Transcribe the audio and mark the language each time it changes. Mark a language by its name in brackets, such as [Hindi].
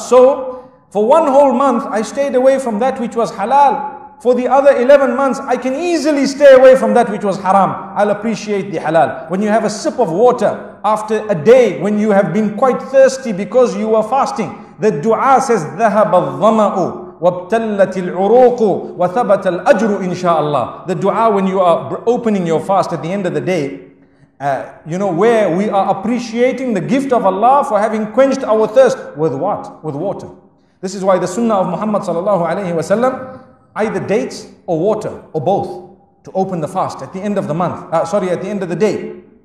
[English] So for one whole month, I stayed away from that which was halal. For the other 11 months, I can easily stay away from that which was haram. I'll appreciate the halal. When you have a sip of water after a day when you have been quite thirsty because you were fasting, the dua says, [Arabic] ذَهَبَ الظَّمَأُ وابتلت العروق وثبت الأجر إن شاء الله. [English] The dua when you are opening your fast at the end of the day, you know, where we are appreciating the gift of Allah for having quenched our thirst with what? With water. This is why the sunnah of Muhammad sallallahu alayhi wa sallam, either dates or water or both to open the fast at the end of the month, at the end of the day.